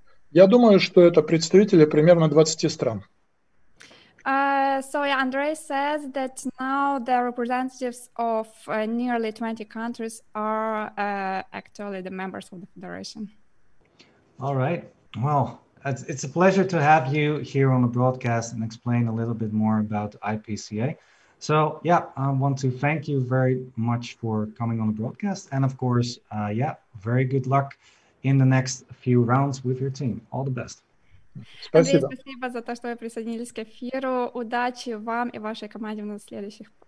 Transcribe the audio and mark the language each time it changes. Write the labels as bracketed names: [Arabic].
[Russian] Я думаю, что это представители примерно 20 стран. [English] Andre says that now the representatives of nearly 20 countries are actually the members of the federation. All right. Well, it's a pleasure to have you here on the broadcast and explain a little bit more about IPCA. So, yeah, I want to thank you very much for coming on the broadcast. And of course, very good luck in the next few rounds with your team. All the best. [Russian] Спасибо. Спасибо за то, что вы присоединились к эфиру. Удачи вам и вашей команде на следующих.